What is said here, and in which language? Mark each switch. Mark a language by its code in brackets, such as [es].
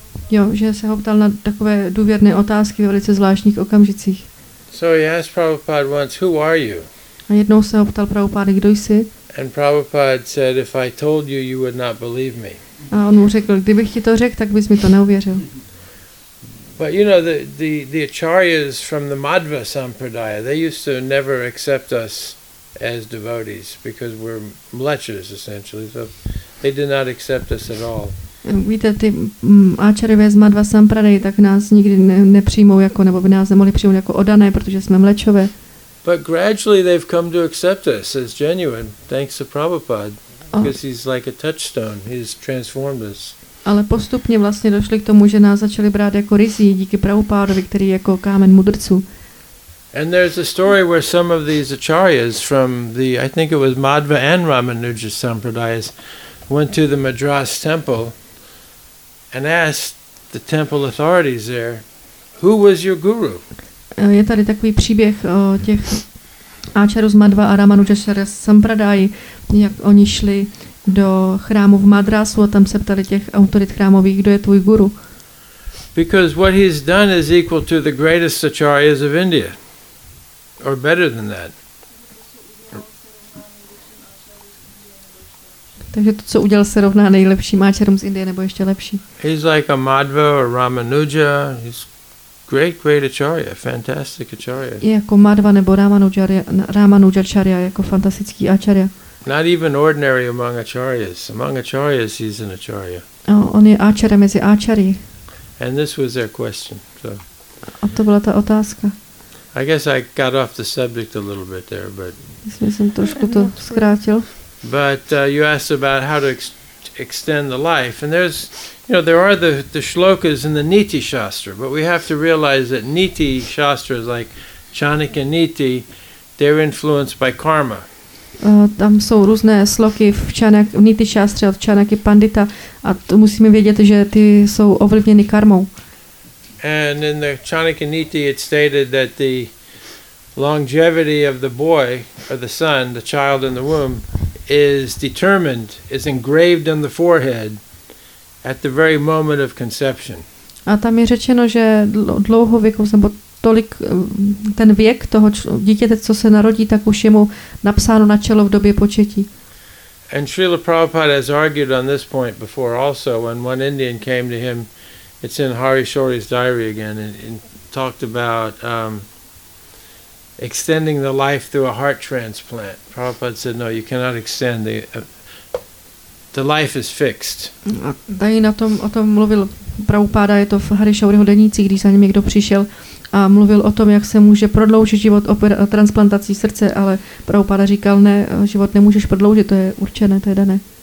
[cs] Jo, že se ho ptal na takové důvěrné otázky ve velice zvláštních okamžicích. [en] So he asked Prabhupada once, who are you? [cs] A jednou se ho ptal Prabhupada, kdo jsi? [en] And Prabhupada said, if I told you, you would not believe me. [cs] A on mu řekl, kdybych ti to řekl, tak bys mi to neuvěřil. [en] But you know, the acharyas from the Madhva Sampradaya, they used to never accept us as devotees because we're mlechas essentially, so they did not accept us at all. [cs] Víte, ty áčarjové z Madhva Sampradaya tak nás nikdy nepřijmou jako, nebo by nás nemohli přijmout jako odané, protože jsme mlečové. [en] But gradually they've come to accept us as genuine, thanks to Prabhupada, because he's like a touchstone, he's transformed us. [cs] Ale postupně vlastně došli k tomu, že nás začali brát jako ryzí díky Prabhupádovi, který je jako kámen mudrců. [en] And there's a story where some of these acharyas from the, I think it was Madhva and Ramanuja Sampradayas, went to the Madras temple and asked the temple authorities there, who was your guru? [cs] Je tady takový příběh o těch áčarů z Madhva a Ramanuja Sampradayi, jak oni šli do chrámu v Madrasu a tam se ptali těch autorit chrámových, kdo je tvůj guru. [en] Because what he's done is equal to the greatest acharyas of India. Or better than that. [cs] Takže to, co udělal, se rovná nejlepším áčarům z Indie, nebo ještě lepší. [en] He's like a Madhva or Ramanuja. He's great, great acharya, fantastic acharya. [cs] Je jako Madhva nebo Ramanujacharya, jako fantastický áčarya. [en] Not even ordinary among acharyas. Among acharyas, he's an acharya. [cs] On je áčara mezi áčary. [en] And this was their question. So. [cs] A to byla ta otázka. [en] I guess I got off the subject a little bit there, but. [cs] Myslím, že jsem trošku to zkrátil. [en] But you asked about how to extend the life, and there's, you know, there are the shlokas in the Niti Shastra, but we have to realize that Niti Shastras like Chanakya Niti, they're influenced by karma. [cs] Tam jsou různé sloky v čanak, v Niti Šastře od Čanaky Pandita a to musíme vědět, že ty jsou ovlivněny karmou. [en] And in the Chanaka Niti it stated that the longevity of the boy or the son, the child in the womb is determined, is engraved on the forehead at the very moment of conception. [cs] A tam je řečeno, že dlouho věku nebo tolik ten věk toho dítěte, co se narodí, tak už je mu napsáno na čelo v době početí. [en] And Srila Prabhupada has argued on this point before also when one Indian came to him. It's in Hari Shori's diary again and talked about extending the life through a heart transplant. Prabhupada said no, you cannot extend the life is fixed. [cs] A tady na tom o tom mluvil Prabhupada, je to v Hari Shoriho denících, když za ním někdo přišel a mluvil o tom, jak se může prodloužit život transplantací srdce, ale Prabhupada říkal ne, život nemůžeš prodloužit, to je určené, to je dané.